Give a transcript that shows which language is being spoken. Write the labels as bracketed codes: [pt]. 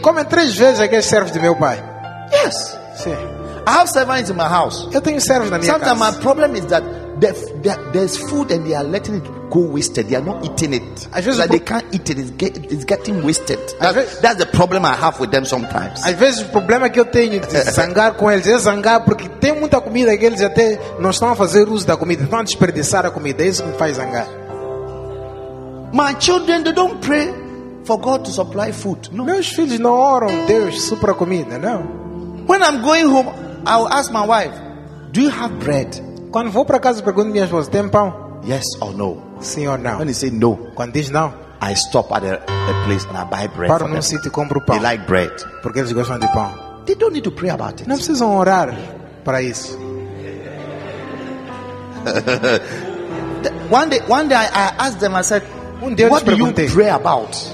[pt] Comem três vezes aqueles servos de meu pai. [en] Yes. [pt] Sim. [en] I have servants in my house. [pt] Eu tenho servos na minha [en] sometimes [pt] casa. [en] My problem is that there's food and they are letting it go wasted. They are not eating it. They can't eat it. It's getting wasted. That's the problem I have with them sometimes. [pt] Às vezes o problema que eu tenho de zangar com eles é zangar porque tem muita comida que eles até não estão a fazer uso da comida, estão a desperdiçar a comida. Isso me faz zangar. [en] My children, they don't pray for God to supply food. No. [pt] Meus filhos não oram Deus supra comida, não. [en] When I'm going home, I'll ask my wife, do you have bread? [pt] Quando vou para casa, pergunto minha esposa, tem pão? [en] Yes or no? [pt] Sim ou não? [en] When he say no, [pt] quando diz não, [en] I stop at a place and I buy bread. [pt] Paro num sítio e compro pão. [en] They like bread. [pt] Porque eles gostam de pão. [en] They don't need to pray about it. [pt] Não precisam orar para isso. [en] One day I asked them, I said, what do you pray about?